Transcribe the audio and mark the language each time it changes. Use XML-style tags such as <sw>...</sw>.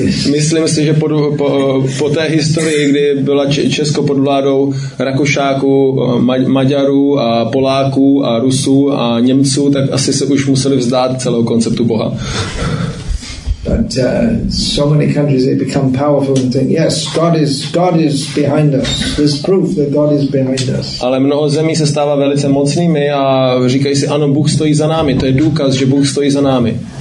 <cs>Myslím si, že po té historii, kdy byla Česko pod vládou Rakušáků, Maďarů a Poláků a Rusů a Němců, tak asi se už museli vzdát celého konceptu Boha.</cs> <en>But so many countries they become powerful and think, yes, God is behind us. There's proof that God is behind us.</en> <cs>Ale mnoho zemí se stává velice mocnými a říkají si, ano, Bůh stojí za námi. To je důkaz, že Bůh stojí za námi.</cs>